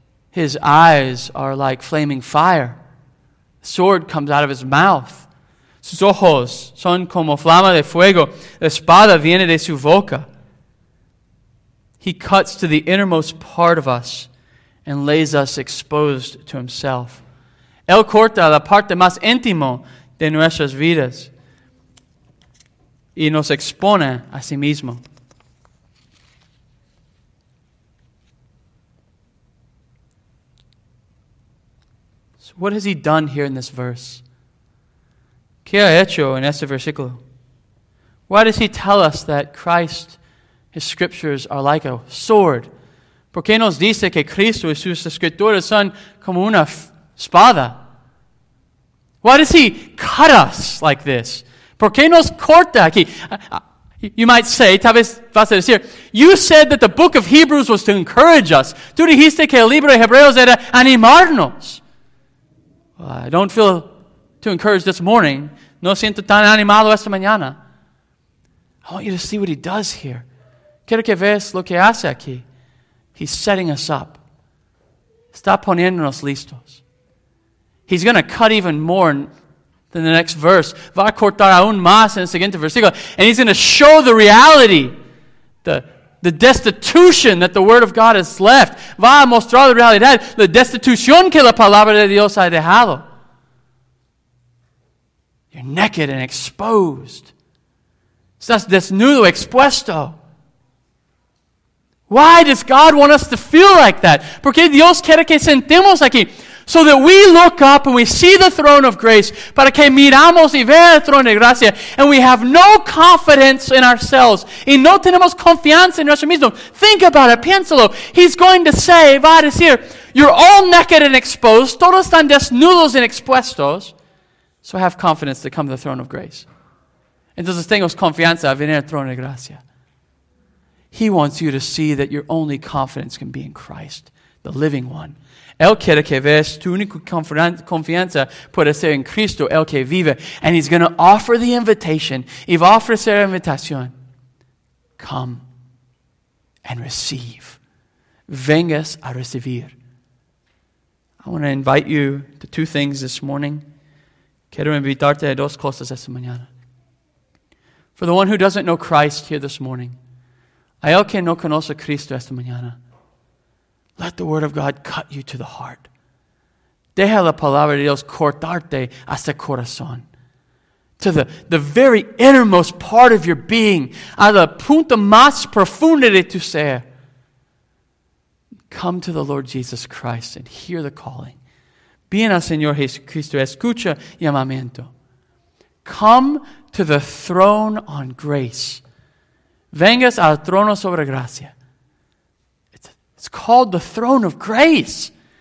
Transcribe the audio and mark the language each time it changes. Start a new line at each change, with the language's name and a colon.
English: His eyes are like flaming fire. Sword comes out of his mouth.
Spanish: Sus ojos son como flama de fuego. La espada viene de su boca.
English: He cuts to the innermost part of us and lays us exposed to himself.
Spanish: Él corta la parte más íntimo de nuestras vidas y nos expone a sí mismo.
English: What has he done here in this verse?
Spanish: ¿Qué ha hecho en este versículo?
English: Why does he tell us that Christ, his scriptures, are like a sword?
Spanish: ¿Por qué nos dice que Cristo y sus escrituras son como una espada?
English: Why does he cut us like this?
Spanish: ¿Por qué nos corta aquí?
English: You might say,
Spanish: tal vez vas a decir,
English: you said that the book of Hebrews was to encourage us.
Spanish: Tú dijiste que el libro de Hebreos era animarnos.
English: I don't feel too encouraged this morning.
Spanish: No siento tan animado esta mañana.
English: I want you to see what he does here.
Spanish: Quiero que veas lo que hace aquí.
English: He's setting us up.
Spanish: Está poniéndonos listos.
English: He's going to cut even more than the next verse.
Spanish: Va a cortar aún más en el siguiente versículo.
English: And he's going to show the reality, the destitution that the Word of God has left.
Spanish: Va a mostrar la realidad, la destitución que la Palabra de Dios ha dejado.
English: You're naked and exposed.
Spanish: Estás desnudo, expuesto.
English: Why does God want us to feel like that?
Spanish: Porque Dios quiere que sentimos aquí.
English: So that we look up and we see the throne of grace,
Spanish: para que miramos y vea el trono de gracia,
English: and we have no confidence in ourselves,
Spanish: y no tenemos confianza en nosotros mismos.
English: Think about it,
Spanish: piénsalo.
English: He's going to say,
Spanish: va a decir,
English: you're all naked and exposed,
Spanish: todos están desnudos y expuestos,
English: so have confidence to come to the throne of grace.
Spanish: Entonces tengamos confianza a venir al trono de gracia.
English: He wants you to see that your only confidence can be in Christ, the living one.
Spanish: El quiere que veas tu única confianza puede ser en Cristo, el que vive.
English: And he's going to offer the invitation.
Spanish: Y va a ofrecer la invitación.
English: Come and receive.
Spanish: Vengas a recibir.
English: I want to invite you to two things this morning.
Spanish: Quiero invitarte a dos cosas esta mañana.
English: For the one who doesn't know Christ here this morning,
Spanish: a el que no conoce a Cristo esta mañana,
English: let the word of God cut you to the heart.
Spanish: Deja la palabra de Dios cortarte hasta el corazón.
English: To the very innermost part of your being.
Spanish: A la punta más profunda de tu ser.
English: Come to the Lord Jesus Christ and hear the calling.
Spanish: Bien al Señor Jesucristo, escucha llamamiento.
English: Come to the throne on grace.
Spanish: Vengas al trono sobre gracia.
English: It's called the throne of grace.